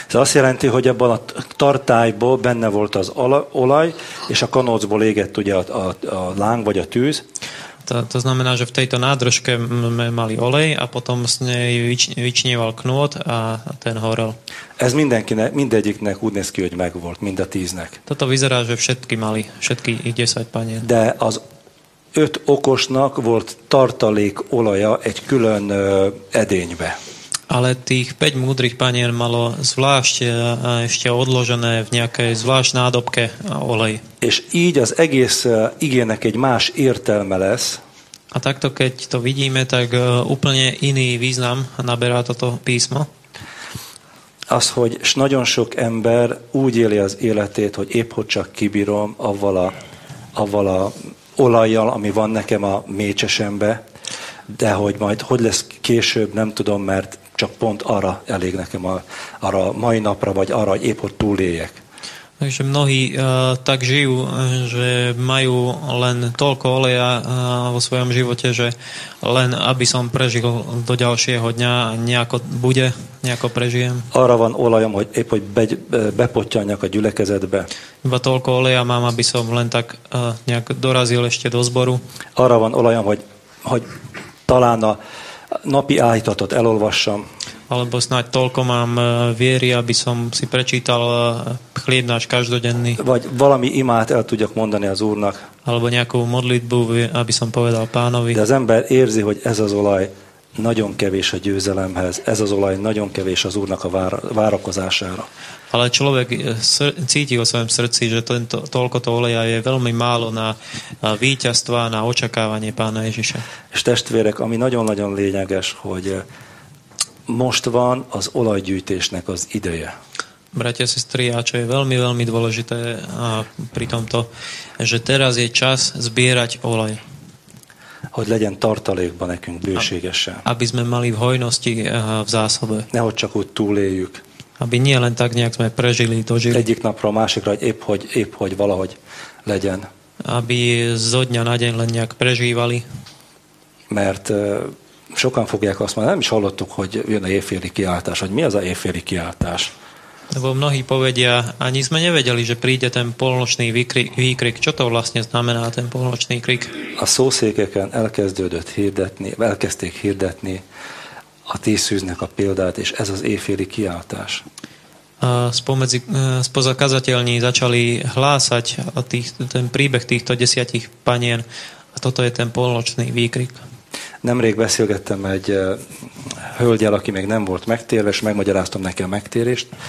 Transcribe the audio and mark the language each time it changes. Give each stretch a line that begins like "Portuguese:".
Slovak: To asi len tý,
Hungarian: hogy abban a tartályból benne volt az olaj, és a kanócból égett ugye a láng vagy a tűz.
Slovak: To znamená, že v tejto nádržke sme mali olej a potom z nej vyčnieval knôt a ten horel.
Hungarian: Ez mindenkinek, mindegyiknek úgy néz ki, hogy megvolt, mind a tíznek.
Slovak: Toto vyzerá, že všetky mali, všetky ich 10 panier.
Hungarian: De az öt okosnak volt tartalék olaja egy külön edénybe.
Slovak: Ale tých 5 múdrych panier malo zvlášť ešte odložené v nejakej zvlášť nádobke olej.
Hungarian: És így az egész igének egy más értelme lesz.
Slovak: A takto, keď to vidíme, tak úplne iný význam naberá toto písmo.
Hungarian: Az, hogy s nagyon sok ember úgy éli az életét, hogy épp hogy csak kibírom avval a olajjal, ami van nekem a mécsesembe, de hogy majd hogy lesz később, nem tudom, mert csak pont arra elég nekem arra mai napra, vagy arra, hogy épp hogy túléljek.
Slovak: Takže mnohí tak žijú, že majú len toľko oleja vo svojom živote, že len aby som prežil do ďalšieho dňa, nejako bude, nejako prežijem.
Hungarian: Arra van olajom, hogy épp hogy bepotťanjak a gyülekezetbe.
Slovak: Iba toľko oleja mám, aby som len tak nejak dorazil ešte do zboru.
Hungarian: Arra van olajom, hogy talán a napi áhítatot elolvassam.
Slovak: Alebo snáď toľko mám viery, aby som si prečítal chlieb náš každodenný.
Hungarian: Vagy valami imát el tudjak mondani az Úrnak.
Slovak: Alebo nejakú modlitbu, aby som povedal Pánovi.
Hungarian: De az ember érzi, hogy ez az olaj nagyon kevés a győzelemhez. Ez az olaj nagyon kevés az Úrnak a várakozására.
Slovak: Ale človek cíti o svojom srdci, že toľkoto oleja je veľmi málo na víťazstva, na očakávanie Pána Ježiša.
Hungarian: És testvérek, ami nagyon-nagyon lényeges, hogy most van az olajgyűjtésnek az ideje.
Slovak: Bratia, sestri, a čo je veľmi, veľmi dôležité pri tomto, že teraz je čas zbierať olej.
Hungarian: Hogy legyen tartalékba nekünk bőségesen.
Slovak: Aby sme mali v hojnosti v zásobe.
Hungarian: Nehogy csak úgy túléljük.
Slovak: Aby nie len tak nejak sme prežili, dožili.
Hungarian: Egyik napra a másikra, hogy épp hogy valahogy legyen.
Slovak: Aby zo dňa na deň len nejak prežívali.
Hungarian: Mert sokan fogják azt mondani, nem is hallottuk, hogy jön a éjféli kiáltás, hogy mi az a éjféli kiáltás.
Slovak: Lebo mnohí povedia, ani sme nevedeli, že príde ten polnočný výkrik. Čo to vlastne znamená, ten polnočný krik?
Hungarian: A szószékeken elkezdődött hirdetni, elkezdték hirdetni a tízszűznek a példát, és ez az éjféli kiáltás.
Slovak: Spoza kazateľní začali hlásať ten príbeh týchto 10 panien a toto je ten polnočný výkrik.
Hungarian: Nemrég beszélgettem egy hölgyel, aki még nem volt megtérve, és megmagyaráztam neki a megtérést.